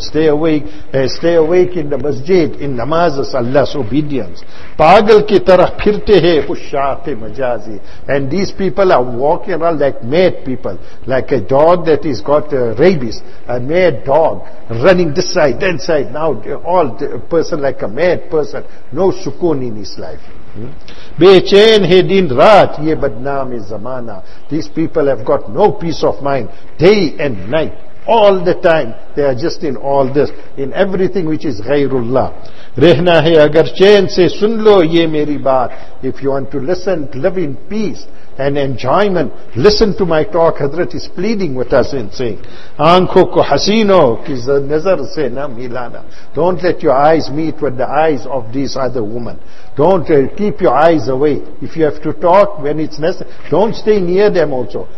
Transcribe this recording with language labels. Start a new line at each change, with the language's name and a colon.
English: Stay awake in the masjid, in namazas, Allah's obedience.
Urdu: Pagal ki tarah phirte hai ushaate majazi.
English: And these people are walking around like mad people. Like a dog that has got rabies. A mad dog running this side, that side. Now all the person like a mad person. No sukoon in his life.
Urdu: بے چین ہے دن رات یہ بدنام زمانہ.
English: These people have got no peace of mind day and night. All the time they are just in all this, in everything which is غیراللہ.
Urdu: رہنا ہے اگر چین سے سن لو یہ میری بات.
English: If you want to listen, live in peace and enjoyment, listen to my talk. Hazrat is pleading with us and saying,
Urdu: آنکھوں کو حسینوں کی نظر سے نہ ملانا.
English: Don't let your eyes meet with the eyes of these other women. Don't keep your eyes away. If you have to talk when it's necessary, don't stay near them also.